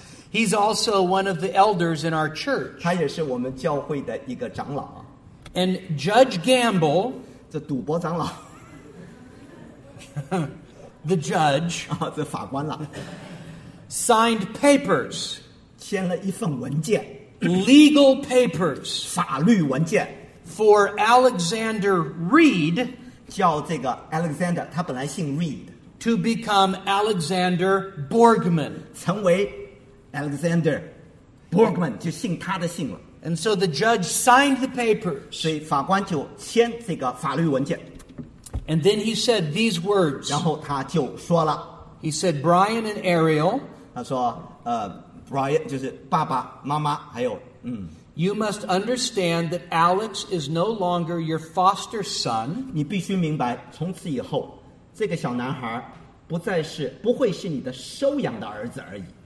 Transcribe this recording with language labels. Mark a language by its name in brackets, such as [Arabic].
[English] He's also one of the elders in our church. [Chinese] 他也是我们教会的一个长老。 [English] And Judge Gamble, [Chinese] 这赌博长老, [English] the judge, [Chinese] 这法官了, [English] signed papers, [Chinese] 签了一份文件, [English] legal papers, [Chinese] 法律文件, [English] for Alexander Reed, [Chinese] 叫这个Alexander, 他本来姓Reed, [English] to become Alexander Borgman. [Chinese] 成为 Alexander Borgman, 就姓他的姓了。 [English] And so the judge signed the papers. [Chinese] 所以法官就签这个法律文件。 [English] And then he said these words. [Chinese] 然后他就说了, [English] He said Brian and Ariel. [Chinese] 他说, Brian 就是爸爸, 妈妈, 还有, [English] You must understand that Alex is no longer your foster son. [Chinese] 你必须明白, 从此以后, 这个小男孩, 不会是你的收养的儿子而已。